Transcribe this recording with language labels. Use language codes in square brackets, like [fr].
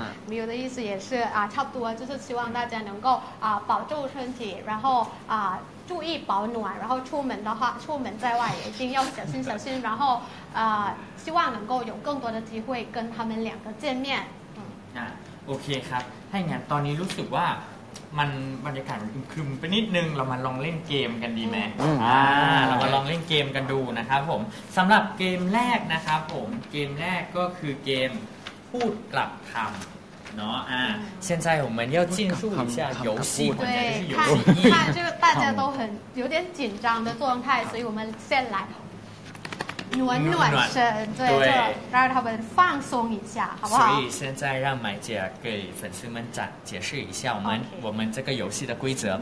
[zh] Bill 的意思也是差不多，就是希望大家能够保重身体，然后注意保暖，然后出门在外也一定要小心，然后希望能够有更多的机会跟他们两个见面。 [th] โอเคครับถ้าอย่างนั้นตอนนี้รู้สึกว่ามันบรรยากาศมันคลึมไปนิดนึงเรามาลองเล่นเกมกันดีไหมเรามาลองเล่นเกมกันดูนะครับผมสำหรับเกมแรกนะครับผมเกมแรกก็คือเกมพูดกลับคำเนาะ [zh] 现在我们要进入一下游戏，对，看看这个大家都很有点紧张的状态，所以我们先来暖暖身，对，让他们放松一下，好不好？所以现在让麦姐给粉丝们解释一下我们这个游戏的规则吧。